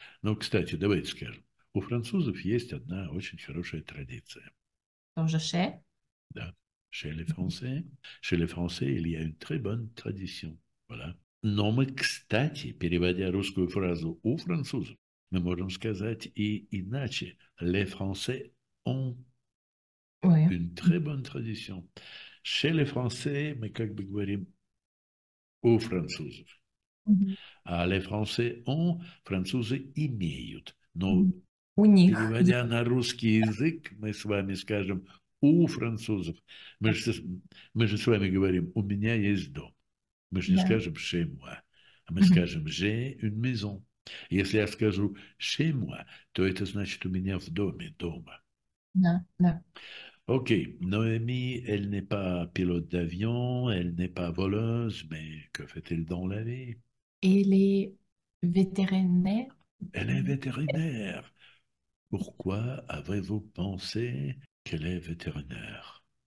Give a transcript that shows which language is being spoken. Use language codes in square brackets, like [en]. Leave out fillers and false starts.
[ru] Но, кстати, давайте скажем, у французов есть одна очень хорошая традиция. Тоже ше. Да. [fr] Chez les Français, il y a une très bonne tradition. Voilà. [ru] Но мы, кстати, переводя русскую фразу у французов, мы можем сказать и иначе. [fr] Les Français ont une très bonne tradition. Chez les Français, [ru] мы как бы говорим у французов. А [fr] les Français ont, [ru] французы имеют. Но У них. переводя на русский язык, мы с вами скажем у французов. Мы же с вами говорим, у меня есть дом. Мы же не Да. скажем [fr] chez moi, [ru] а мы скажем [fr] j'ai une maison. [ru] Если я скажу [fr] chez moi, [ru] то это значит у меня в доме, дома. Да. [fr] Окей, Ноэми, elle n'est pas pilote d'avion, elle n'est pas voleuse, mais que fait-elle dans la vie? Et les vétérinaires. Elle est vétérinaire. Pourquoi avez-vous pensé qu'elle est vétérinaire?